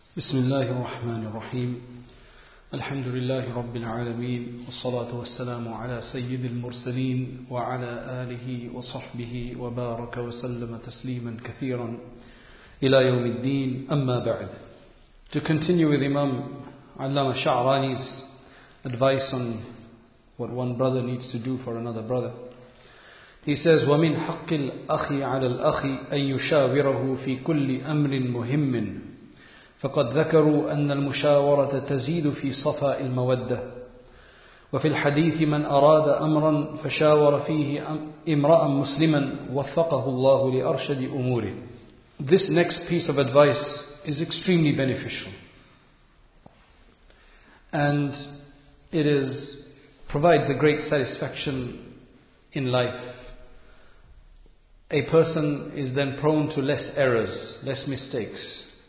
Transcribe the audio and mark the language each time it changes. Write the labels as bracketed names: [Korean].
[Arabic] بسم الله الرحمن الرحيم الحمد لله رب العالمين والصلاة والسلام على سيد المرسلين وعلى آله وصحبه وبارك وسلم تسليما كثيرا إلى يوم الدين أما بعد. [English] To continue with Imam Allama Sha'rani's advice on what one brother needs to do for another brother, he says, [Arabic] وَمِنْ حَقِّ الْأَخِي عَلَى الْأَخِي أَنْ يُشَاوِرَهُ فِي كُلِّ أَمْرٍ مُهِمٍّ فقد ذكروا أن المشاورة تزيد في صفاء المودة. وفي الحديث من أراد أمرا فشاور فيه امرأ مسلما وفقه الله لأرشد أموره. [English] This next piece of advice is extremely beneficial, and it is provides a great satisfaction in life. A person is then prone to less errors, less mistakes.